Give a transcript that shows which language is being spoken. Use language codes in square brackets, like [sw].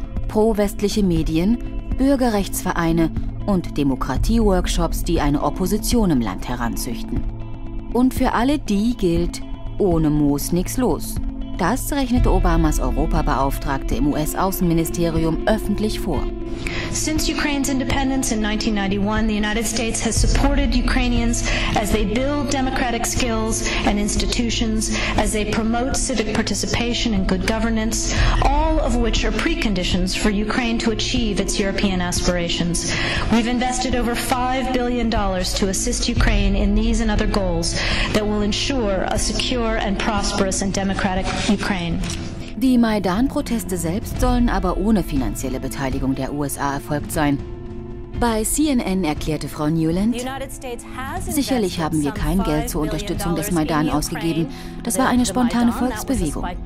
[de] Pro-westliche Medien, Bürgerrechtsvereine und Demokratie-Workshops, die eine Opposition im Land heranzüchten. Und für alle die gilt: Ohne Moos nichts los. Das rechnete Obamas Europabeauftragte im US-Außenministerium öffentlich vor. [en] Since Ukraine's independence in 1991, the United States has supported Ukrainians as they build democratic skills and institutions, as they promote civic participation and good governance, all of which are preconditions for Ukraine to achieve its European aspirations. We've invested over $5 billion to assist Ukraine in these and other goals that will ensure a secure and prosperous and democratic Ukraine. [de] Die Maidan-Proteste selbst sollen aber ohne finanzielle Beteiligung der USA erfolgt sein. Bei CNN erklärte Frau Newland: Sicherlich haben wir kein Geld zur Unterstützung des Maidan ausgegeben. Das war eine spontane Volksbewegung.